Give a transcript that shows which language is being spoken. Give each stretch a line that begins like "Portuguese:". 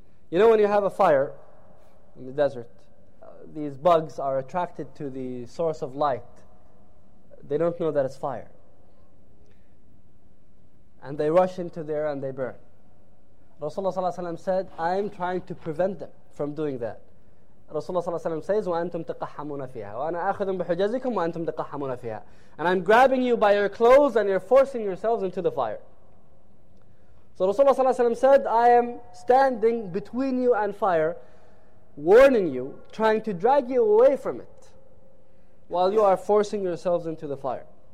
English: You know, when you have a fire in the desert, these bugs are attracted to the source of light. They don't know that it's fire, and they rush into there and they burn. Rasulullah ﷺ said, I'm trying to prevent them from doing that.
Arabic: Rasulullah ﷺ says, وَأَنْتُمْ تَقَحَّمُونَ فِيهَا وَأَنَا أَخَذُمْ بِحُجَزِكُمْ وَأَنْتُمْ تَقَحَّمُونَ فِيهَا.
English: And I'm grabbing you by your clothes and you're forcing yourselves into the fire. So Rasulullah ﷺ said, I am standing between you and fire, warning you, trying to drag you away from it while you are forcing yourselves into the fire.